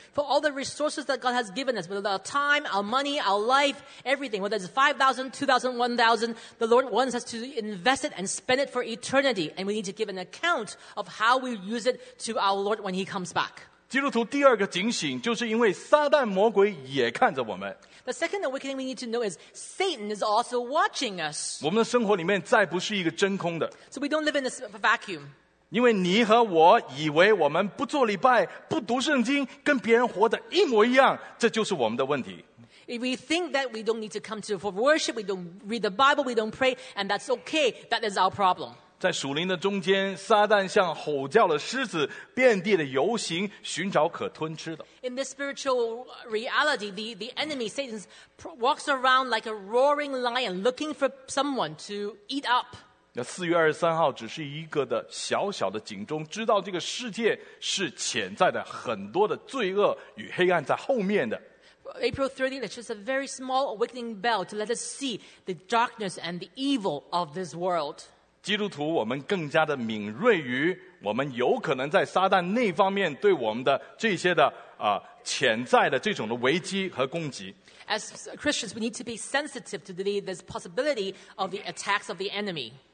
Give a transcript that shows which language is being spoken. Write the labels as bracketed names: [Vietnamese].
[English] For all the resources that God has given us, whether our time, our money, our life, everything, whether it's 5,000, 2,000, 1,000, the Lord wants us to invest it and spend it for eternity, and we need to give an account of how we use it. To our Lord when He comes back. [Chinese] 基督徒第二个警醒，就是因为撒旦魔鬼也看着我们。 [English] The second awakening we need to know is Satan is also watching us. [Chinese] 我们的生活里面再不是一个真空的。 [English] So we don't live in this vacuum. [Chinese] 因为你和我以为我们不做礼拜、不读圣经，跟别人活得一模一样，这就是我们的问题。 [English] If we think that we don't need to come to for worship, we don't read the Bible, we don't pray, and that's okay, that is our problem. [Chinese] 在属灵的中间，撒旦像吼叫的狮子，遍地的游行，寻找可吞吃的。 [English] In this spiritual reality, the enemy Satan walks around like a roaring lion, looking for someone to eat up. [Chinese] 那四月二十三号只是一个的小小的警钟，知道这个世界是潜在的很多的罪恶与黑暗在后面的。 [English] April 30th is just a very small awakening bell to let us see the darkness and the evil of this world. [Chinese] 基督徒我们更加的敏锐于我们有可能在撒旦那方面对我们的这些的、潜在的这种的危机和攻击。 [English] As Christians, we need to be sensitive to this possibility of the attacks of the enemy.